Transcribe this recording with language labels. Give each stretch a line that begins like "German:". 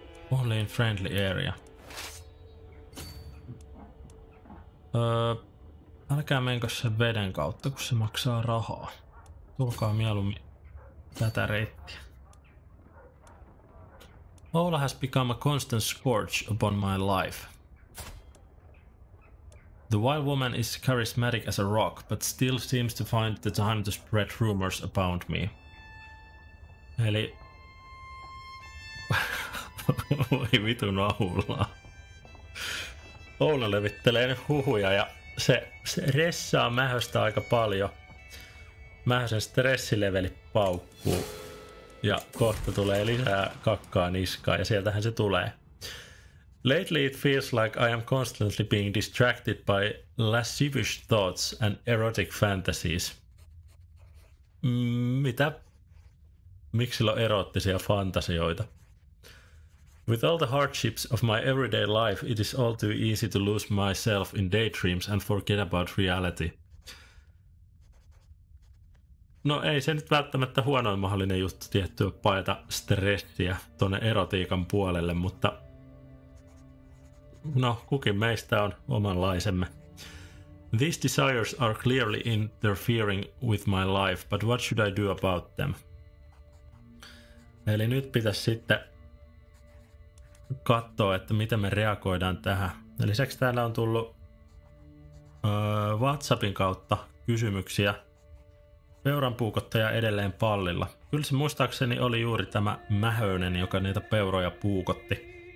English: Only in friendly area.
Finnish: Älkää menkö sen veden kautta, kun se maksaa rahaa. Tulkaa mieluummin tätä reittiä.
English: Ola has become a constant scourge upon my life. The wild woman is charismatic as a rock, but still seems to find the time to spread rumors about me.
Finnish: Eli... voi vitun aulaa. Ouna levittelee nyt huhuja ja se ressaa mähöstä aika paljon. Mähösen stressileveli paukkuu. Ja kohta tulee lisää kakkaa niskaa ja sieltähän se tulee.
English: Lately it feels like I am constantly being distracted by lascivious thoughts and erotic fantasies.
Finnish: Mitä? Miksi sillä on eroottisia fantasioita?
English: With all the hardships of my everyday life, it is all too easy to lose myself in daydreams and forget about reality.
Finnish: No ei se nyt välttämättä huonoin mahdollinen juttu tiettyä paeta stressiä tuonne erotiikan puolelle, mutta no, kukin meistä on omanlaisemme.
English: These desires are clearly interfering with my life, but what should I do about them?
Finnish: Eli nyt pitäisi sitten katsoa, että miten me reagoidaan tähän. Lisäksi täällä on tullut WhatsAppin kautta kysymyksiä. Peuran puukottaja edelleen pallilla. Kyllä se muistaakseni oli juuri tämä Mähöinen, joka niitä peuroja puukotti.